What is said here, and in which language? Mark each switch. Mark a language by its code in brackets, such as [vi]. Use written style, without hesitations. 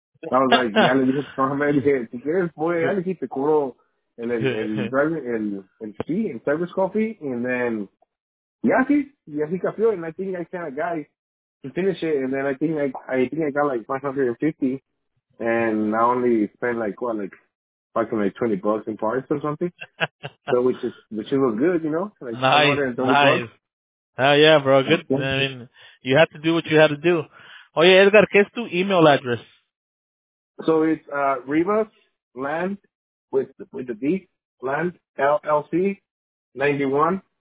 [en] I was like, [es] ya le dije, [en] how many heads? [es] Si quieres, voy, ya le dije, te cobro el [en] service coffee, and then, Yeah, cafeo, and I think I sent a guy to finish it, and then I think I got like $550, and I only spent like what, like fucking like $20 in parts or something. So which was good, you know. Like, nice. Hell yeah, bro. Good. I mean, you had to do what you had to do. Oh yeah, [es] Edgar, ¿qué es tu [en] email address? So it's Rivas Land with the D Land LLC 91.